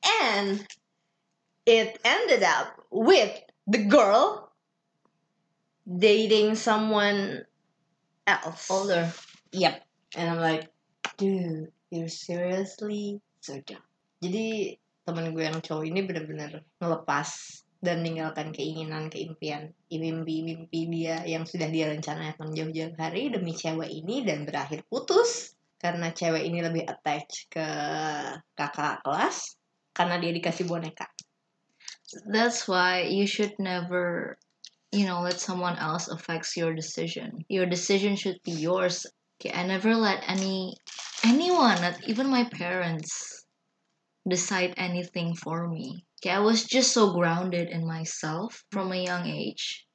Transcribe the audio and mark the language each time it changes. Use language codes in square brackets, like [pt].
[en] And it ended up with the girl dating someone else. Older. Yep. And I'm like, dude, you're seriously so dumb. [id] Jadi teman gue yang cowok ini benar-benar ngelepas dan meninggalkan keinginan, keimpian, mimpi-mimpi dia yang sudah dia rencanakan jauh-jauh hari demi cewek ini dan berakhir putus karena cewek ini lebih attach ke kakak kelas karena dia dikasih boneka. [en] That's why you should never, you know, let someone else affects your decision. Your decision should be yours. Okay, I never let any anyone, not even my parents, decide anything for me. Okay, I was just so grounded in myself from a young age.